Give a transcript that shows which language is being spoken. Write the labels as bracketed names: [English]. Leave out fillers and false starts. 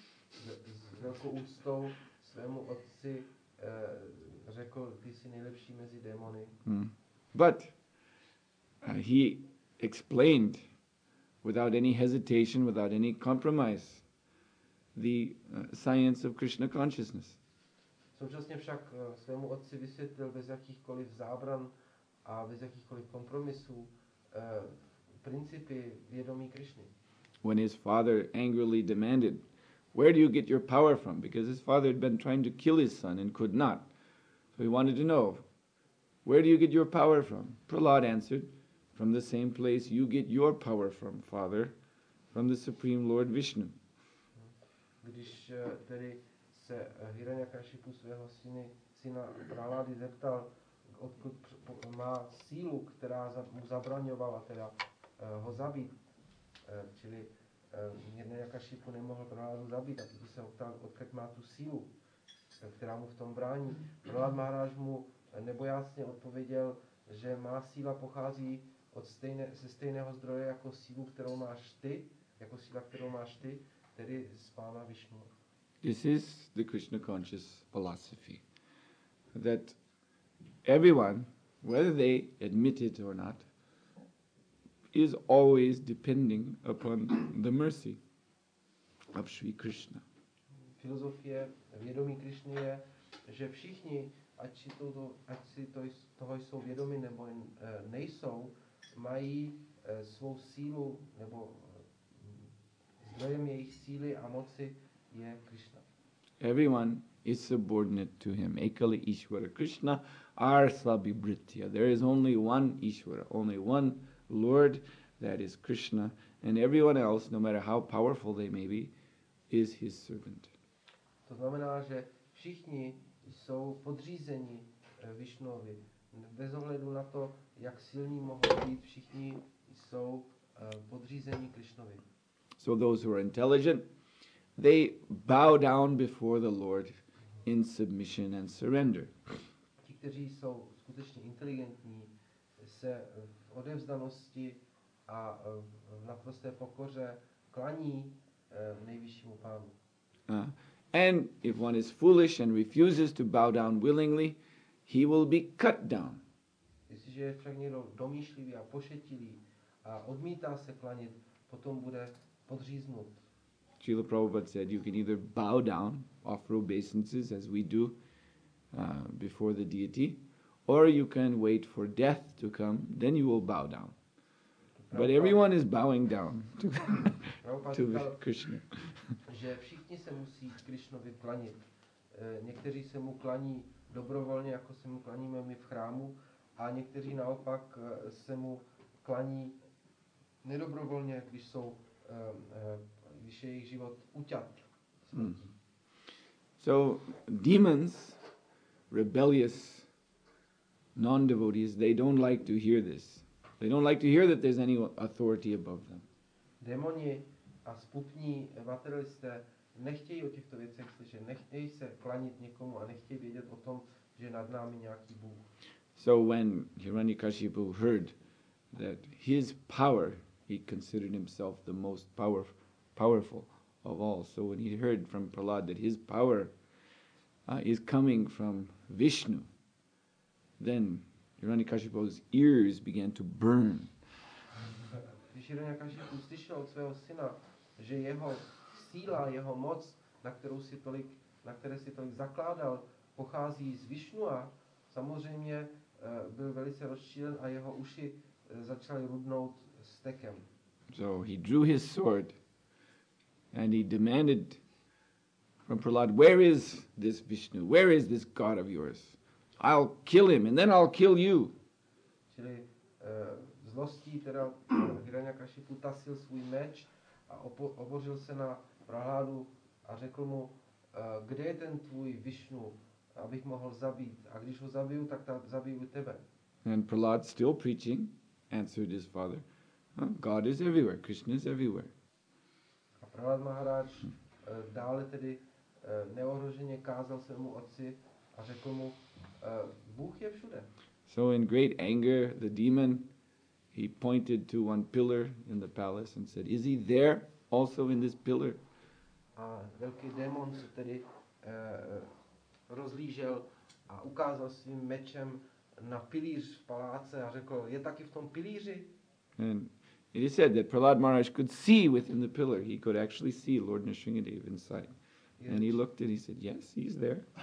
[Czech] S velkou úctou svému otci řekl, ty jsi nejlepší mezi démony. [English] But he explained without any hesitation, without any compromise, the science of Krishna consciousness. [Czech] Současně však svému otci vysvětlil bez jakýchkoliv zábran a bez jakýchkoliv kompromisů principy vědomí Krishny. [English] When his father angrily demanded, where do you get your power from? Because his father had been trying to kill his son and could not. So he wanted to know, where do you get your power from? Prahlad answered, from the same place you get your power from, father, from the Supreme Lord Vishnu. [Czech] Když tedy se Hiranyakashipu svého syna Prahlády zeptal, odkud má sílu, která mu zabraňovala teda ho zabít, čili Hiranyakashipu nemohl Prahládu zabít, a tedy se optal, odkud má tu sílu, která mu v tom brání. Prahlád Maharaj mu nebojácně odpověděl, že má síla pochází ze stejného zdroje jako sílu, kterou máš ty, jako síla, kterou máš ty, tedy z Pána Vishnu. [English] This is the Krishna conscious philosophy, that everyone, whether they admit it or not, is always depending upon the mercy of Sri Krishna. [Czech] Filozofie vědomí Krishny je, že všichni, ať si toho jsou vědomi nebo nejsou, mají svou sílu, nebo zdrojem jejich síly a moci je Krishna. [English] Everyone is subordinate to him. [Bangla] Ekali Ishvara Krishna Arsabhi Britya. [English] There is only one Ishvara, only one Lord, that is Krishna. And everyone else, no matter how powerful they may be, is his servant. [Czech] To znamená, že všichni jsou podřízeni Vishnovi. Bez ohledu na to, jak silní mohou být, všichni jsou podřízení Krishnovi. [English] So those who are intelligent, they bow down before the Lord in submission and surrender. [Czech] Ti, kteří jsou skutečně inteligentní, se v odevzdanosti a v naprosté pokoře klaní nejvyššímu Pánu. [English] And if one is foolish and refuses to bow down willingly, he will be cut down. [Czech] Jestliže je však někdo domýšlivý a pošetilý a odmítá se klanit, potom bude podříznut. [English] Srila Prabhupada said, you can either bow down, offer obeisances as we do before the deity, or you can wait for death to come, then you will bow down. But everyone is bowing down to Krishna. [Czech] Že všichni se musí Krishnovi klanit. Někteří se mu klaní dobrovolně, jako se mu klaníme my v chrámu, a někteří naopak se mu klaní nedobrovolně, když jsou když je jejich život uťat. [English] So demons, rebellious non-devotees, they don't like to hear this. They don't like to hear that there's any authority above them. [Czech] Démoni a spupní materialisté nechtějí o těchto věcech slyšet, nechtějí se klanit někomu a nechtějí vědět o tom, že nad námi nějaký Bůh. [English] So when Hiranyakashipu heard that his power, he considered himself the most powerful of all. So when he heard from Prahlad that his power is coming from Vishnu, then Hiranyakashipu's ears began to burn. [Czech] Když Hiranyakashipu slyšel od svého syna, že jeho síla, jeho moc, na které si tolik zakládal, pochází z Vishnua, samozřejmě byl velice rozčílen a jeho uši začaly rudnout stekem. [English] So he drew his sword and he demanded from Prahlad, where is this Vishnu? Where is this God of yours? I'll kill him and then I'll kill you. [Czech] Čili zlostí teda Hiranyakashipu tasil svůj meč a obořil se na Prahládu a řekl mu, kde je ten tvůj Vishnu, abych mohl zabít? A když ho zabiju, tak zabiju tebe. [English] And Prahlad, still preaching, answered his father, God is everywhere, Krishna is everywhere. [Czech] A Prahlad Maharaj dále tedy neohroženě kázal svému otci a řekl mu, Bůh je všude. [English] So in great anger, the demon, he pointed to one pillar in the palace and said, is he there also in this pillar? [Czech] A velký démon se tedy rozlížel a ukázal svým mečem na pilíř v paláce a řekl, je taky v tom pilíři? [English] And it is said that Prahlad Maharaj could see within the pillar. He could actually see Lord Nrisingadeva inside. Yes. And he looked and he said, yes, he's there.